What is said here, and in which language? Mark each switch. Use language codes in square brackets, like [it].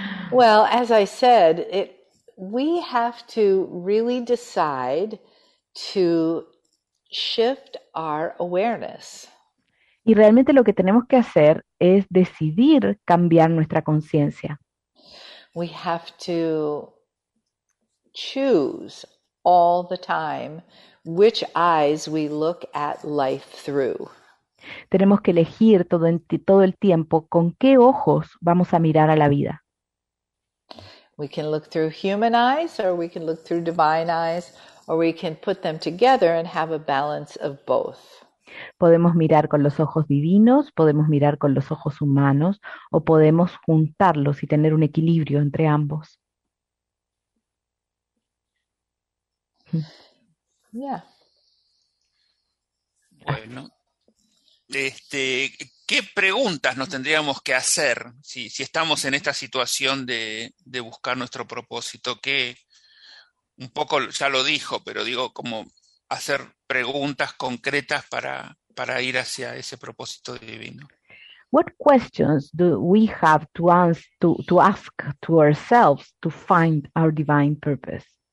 [en] Well, as I said, we have to really decide to shift our awareness. [es] y realmente lo que tenemos que hacer es decidir cambiar nuestra conciencia. [en] We have to choose all the time which eyes we look at life through. [es] Tenemos que elegir todo el tiempo con qué ojos vamos a mirar a la vida. [en] We can look through human eyes, or we can look through divine eyes, or we can put them together and have a balance of both. [es] Podemos mirar con los ojos divinos, podemos mirar con los ojos humanos, o podemos juntarlos y tener un equilibrio entre ambos. [en] Yeah. [es] Bueno, ¿qué preguntas nos tendríamos que hacer si estamos en esta situación de buscar nuestro propósito? Que un poco ya lo dijo, pero digo, como hacer preguntas concretas para ir hacia ese propósito divino. [en] What questions do we have to ask to ourselves to find our divine purpose?